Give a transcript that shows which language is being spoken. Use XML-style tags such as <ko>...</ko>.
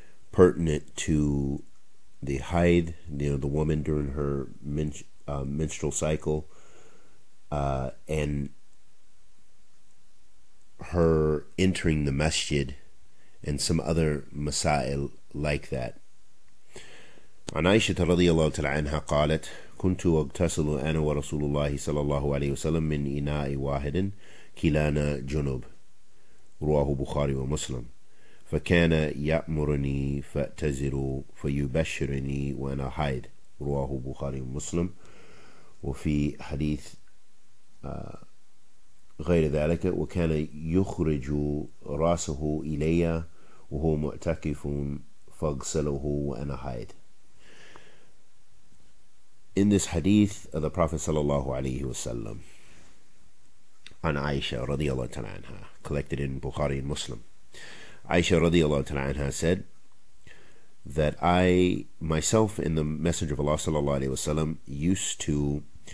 <en>pertinent to the haid, you know, the woman during her menstrual cycle, and her entering the masjid and some other masail like that.</en> <ar>عن عائشة رضي الله تعالى عنها قالت كنت أغتسل أنا ورسول الله صلى الله عليه وسلم من إناء واحد كلانا جنوب رواه بخاري ومسلم فكان يأمرني فأتزل فيبشرني وأنا حائض رواه بخاري ومسلم وفي حديث غير ذلك وكان يخرج رأسه إلي وهو معتكف فاغسله وأنا حائض.</ar> <en>In this hadith of the Prophet sallallahu alaihi wasallam on Aisha radiallahu ta'ala anha, collected in Bukhari and Muslim, Aisha radiallahu ta'ala anha said that I myself and the Messenger of Allah sallallahu alaihi wasallam used to</en>